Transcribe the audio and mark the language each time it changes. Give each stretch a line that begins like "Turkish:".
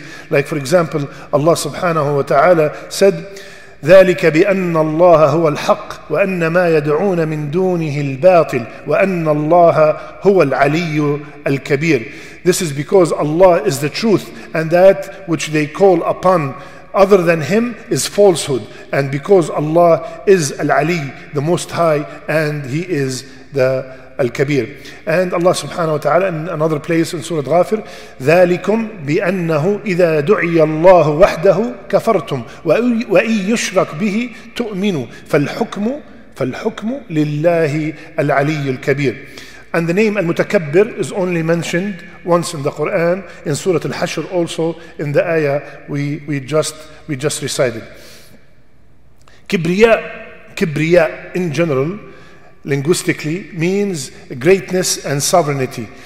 English: Like, for example, Allah subhanahu wa ta'ala said,
Arabic: ذلك بأن الله هو الحق وأن ما يدعون من دونه الباطل وأن الله هو العلي الكبير.
English: This is because Allah is the truth, and that which they call upon other than Him is falsehood. And because Allah is Al-Ali, the Most High, and He is the Al-Kabir. And Allah subhanahu wa ta'ala, in another place in Surah Ghafir,
Arabic: ذَلِكُمْ بِأَنَّهُ إِذَا دُعِيَ اللَّهُ وَحْدَهُ كَفَرْتُمْ وَإِنْ يُشْرَكْ بِهِ تُؤْمِنُوا فَالْحُكْمُ لِلَّهِ الْعَلِيُّ الْكَبِيرُ.
English: And the name Al-Mutakabbir is only mentioned once in the Quran, in Surah Al-Hashr also, in the ayah we just recited. Kibriya in general, linguistically, means greatness and sovereignty.